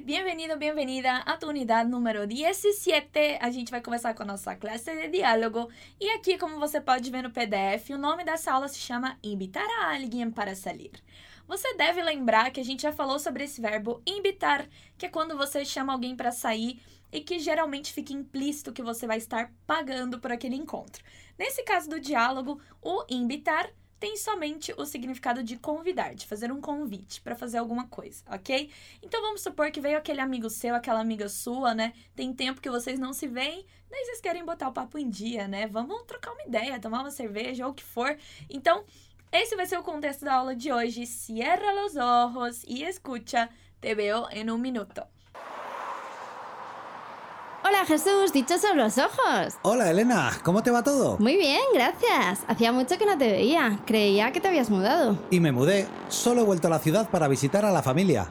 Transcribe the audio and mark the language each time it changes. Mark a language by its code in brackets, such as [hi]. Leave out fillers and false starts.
[es] Bienvenido, bienvenida a tu unidad número 17. [pt] A gente vai começar com a nossa classe de diálogo. E aqui, como você pode ver no PDF, o nome dessa aula se chama [es] Invitar a alguien para salir. [pt] Você deve lembrar que a gente já falou sobre esse verbo invitar, que é quando você chama alguém para sair e que geralmente fica implícito que você vai estar pagando por aquele encontro. Nesse caso do diálogo, o invitar tem somente o significado de convidar, de fazer um convite para fazer alguma coisa, ok? Então, vamos supor que veio aquele amigo seu, aquela amiga sua, né? Tem tempo que vocês não se veem, daí vocês querem botar o papo em dia, né? Vamos trocar uma ideia, tomar uma cerveja, ou o que for. Então, esse vai ser o contexto da aula de hoje. [es] Cierra los ojos y escucha. Te veo en un minuto. Hola Jesús, dichosos los ojos. Hola Elena, ¿cómo te va todo? Muy bien, gracias. Hacía mucho que no te veía, creía que te habías mudado. Y me mudé, solo he vuelto a la ciudad para visitar a la familia.